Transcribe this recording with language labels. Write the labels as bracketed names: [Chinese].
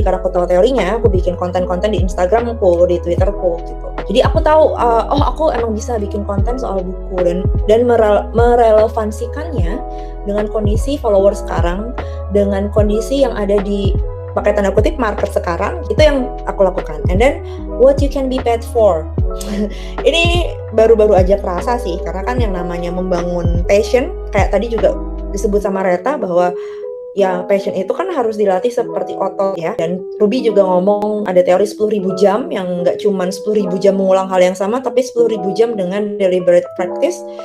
[Indonesian] Karena aku tahu teorinya, aku bikin konten-konten di Instagramku, di Twitterku gitu. Jadi aku tahu, aku emang bisa bikin konten soal buku dan merelevansikannya dengan kondisi follower sekarang, dengan kondisi yang ada di, pakai tanda kutip, market sekarang. Itu yang aku lakukan. [English] And then what you can be paid for. [Indonesian] Ini baru-baru aja terasa sih, karena kan yang namanya membangun passion, kayak tadi juga disebut sama Reta bahwa ya passion itu kan harus dilatih seperti otot ya. Dan Ruby juga ngomong ada teori 10.000 jam yang gak cuman 10.000 jam mengulang hal yang sama, tapi 10.000 jam dengan [English] deliberate practice.